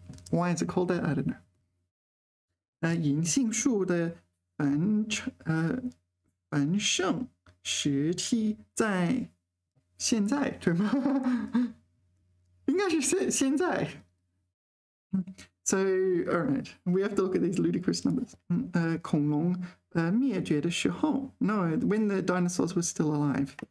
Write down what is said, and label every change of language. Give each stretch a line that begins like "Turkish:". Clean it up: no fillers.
English: Why is it called that? I don't know.
Chinese: 银杏树的繁盛时期在现在对吗？应该是现在。
English: So, alright, we have to look at these ludicrous numbers.
Chinese: 恐龙灭绝的时候
English: ，No, when the dinosaurs were still alive.